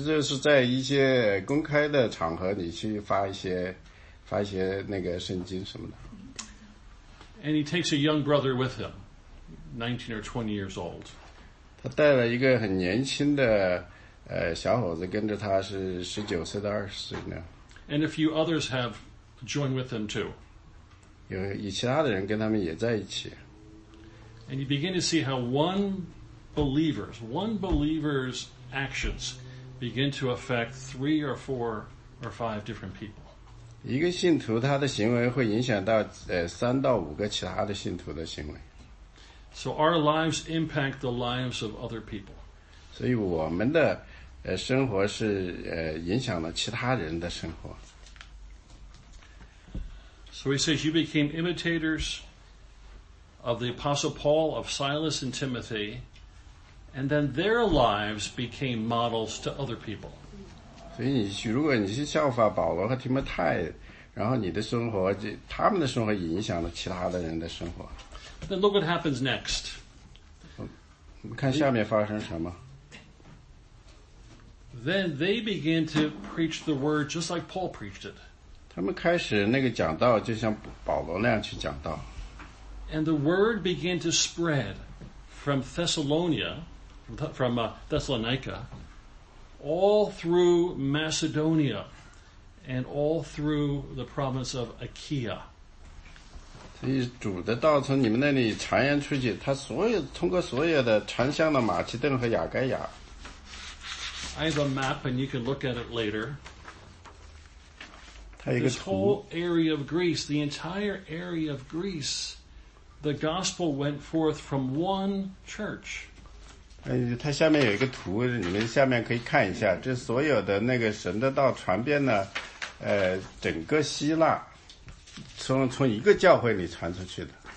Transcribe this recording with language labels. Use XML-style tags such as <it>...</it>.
<zh>这是在一些公开的场合你去发一些那个圣经什么的。</zh> <en>And he takes a young brother with him, 19 or 20 years old.</en> <zh>他带了一个很年轻的小伙子跟着他是19岁到20岁呢。</zh> <en>And a few others have joined with them too.</en> <zh>有其他的人跟他们也在一起。</zh> <en>And you begin to see how one believer's actions begin to affect 3 or 4 or 5 different people.</en> <zh>一个信徒他的行为会影响到三到五个其他的信徒的行为。</zh> <en>So our lives impact the lives of other people.</en> <zh>所以我们的生活是影响了其他人的生活。</zh> <en>So he says you became imitators of the Apostle Paul, of Silas and Timothy, and then their lives became models to other people.</en> <zh>所以如果你是效法保罗和提摩太，然后你的生活，他们的生活也影响了其他的人的生活。</zh> <en>Then look what happens next.</en> <zh>看下面发生什么。</zh> <en>Then they begin to preach the word just like Paul preached it.</en> <zh>他们开始那个讲道就像保罗那样去讲道。</zh> <en>And the word began to spread from Thessalonica, from Thessalonica, all through Macedonia and all through the province of Achaia.</en> <zh>所以主的道从你们那里传扬出去，他所有通过所有的传向了马其顿和亚该亚。</zh> <en>I have a map and you can look at it later.</en> <zh>它有一个图。</zh> <en>This whole area of Greece, the entire area of Greece, the gospel went forth from one church.</en> <zh>它下面有一个图，你们下面可以看一下，这所有的那个神的道传遍了整个希腊，从一个教会里传出去的。</zh>